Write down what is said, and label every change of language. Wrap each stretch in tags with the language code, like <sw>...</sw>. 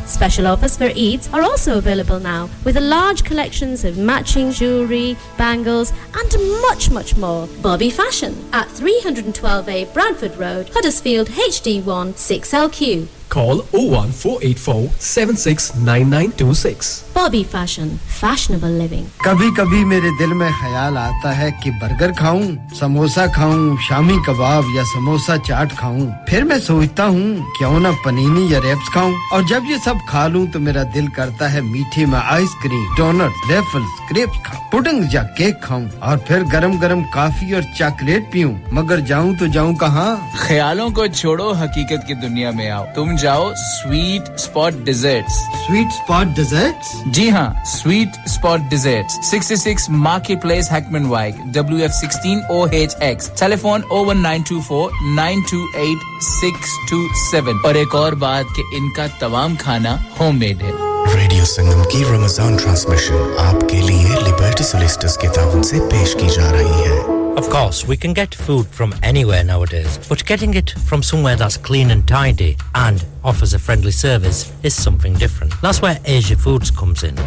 <en>Special offers for Eids are also available now with a large collections of matching jewellery, bangles and much, much more. Bobby Fashion at 312A Bradford Road, Huddersfield, HD1 6LQ. Call 01484 769926. Bobby Fashion, fashionable living.</en> <hi>कभी कभी मेरे दिल में ख्याल आता है कि burger खाऊं, समोसा खाऊं, शामी कबाब या समोसा चाट खाऊं। फिर मैं सोचता हूं क्यों ना पनीनी या रेप्स खाऊं। और जब ये सब खा लूं तो मेरा दिल करता है मीठे में आइसक्रीम, डोनट, वेफल्स, क्रेप्स खाऊं, पुडिंग या केक खाऊं और फिर गरम-गरम कॉफी और चॉकलेट पीऊं। मगर जाऊं तो जाऊं कहां? ख्यालों को छोड़ो हकीकत की दुनिया में आओ। तुम जाओ sweet spot desserts. Sweet spot desserts? जी हां, sweet spot desserts 66 market place हैकमनवाइक WF16OHX telephone 01924928627 और एक और बात कि इनका तमाम खाना होममेड है रेडियो संगम की रमजान ट्रांसमिशन आपके लिए लिबर्टी सोलिस्टस के तौर से पेश की जा रही है</hi> <en>Of course, we can get food from anywhere nowadays, but getting it from somewhere that's clean and tidy and offers a friendly service is something different. That's where Asia Foods comes in.</en>